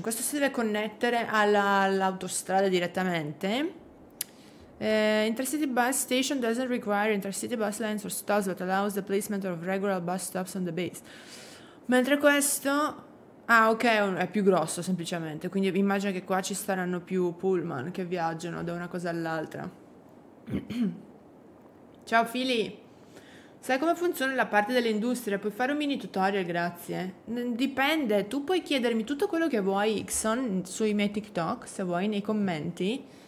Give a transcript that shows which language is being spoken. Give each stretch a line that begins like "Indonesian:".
Italian: Questo si deve connettere all'autostrada direttamente.
English: Intercity Bus Station doesn't require intercity bus lines or stops, but allows the placement of regular bus stops on the base.
Italian: Mentre questo. Ah, ok, è più grosso semplicemente, quindi immagino che qua ci saranno più pullman che viaggiano da una cosa all'altra. Ciao Fili, sai come funziona la parte dell'industria? Puoi fare un mini tutorial, grazie. Dipende, tu puoi chiedermi tutto quello che vuoi, Xon, sui miei TikTok, se vuoi, nei commenti.